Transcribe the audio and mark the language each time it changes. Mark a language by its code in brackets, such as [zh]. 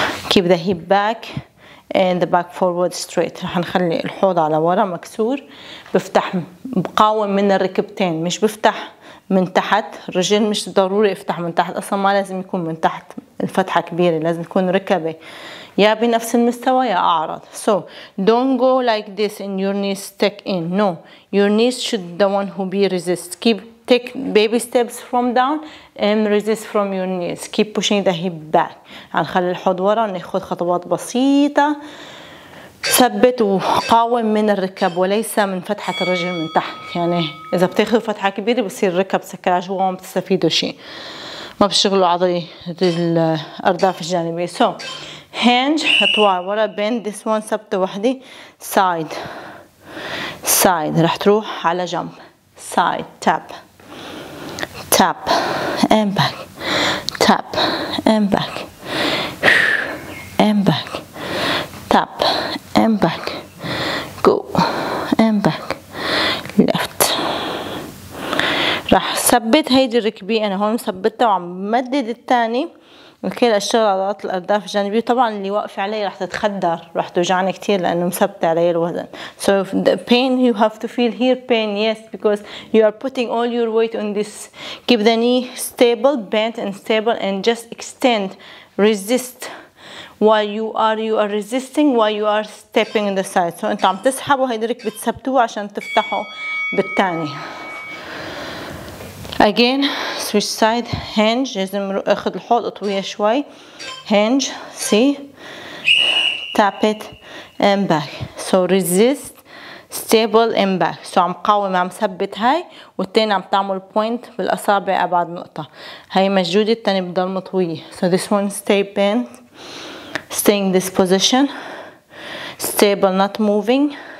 [en] Keep the hip back and the back forward straight. [ar] رح نخلي الحوض على ورا مكسور, بفتح بقاوم من الركبتين, مش بفتح من تحت. الرجل مش ضروري افتح من تحت, اصلا ما لازم يكون من تحت الفتحة كبيرة, لازم يكون ركبة يا بنفس المستوى يا اعرض. [en] So don't go like this and your knees stuck in. No, your knees should the one who be resist. Keep take baby steps from down and resist from your knees. Keep pushing the hip back. [ar] هنخلي الحوض ورا, ناخذ خطوات بسيطة. ثبت وقاوم من الركب وليس من فتحة الرجل من تحت. يعني إذا بتاخذوا فتحة كبيرة بصير الركب سكر جوا وما بتستفيدوا شيء. ما بتشغلوا عضلي الأرداف الجانبية. [en] So hinge, [ar] اطوع ورا, [en] bend this one, [ar] ثبته وحدة. [en] Side, side, [ar] رح تروح على جنب. [en] Side, tap. Tap and back, tap and back, and back, tap and back, go and back, left. [ar] راح ثبت هيدي الركبي, انا هون ثبتها وعم مدد الثاني. اوكي, لاشتغل على عضلات الارداف الجانبية. طبعا اللي واقفة علي راح تتخدر, راح توجعني كثير لانه مثبتة علي الوزن. [en] So the pain you have to feel here, pain, yes, because you are putting all your weight on this. Keep the knee stable, bent and stable, and just extend, resist while you are resisting, while you are stepping on the side. [ar] So انت عم تسحبوا هيدي الركبة, تثبتوها عشان تفتحوا بالثاني. [en] Again, switch side, hinge, [ar] لازم اخذ الحوض اطويه شوي. [en] Hinge, see, tap it and back. So resist, stable and back. [ar] So عم قاوم, عم ثبت هاي, والتاني عم تعمل point بالاصابع ابعد نقطة. هاي مشدودة, التاني بضل مطوية. [en] So this one stay bent, staying this position, stable, not moving.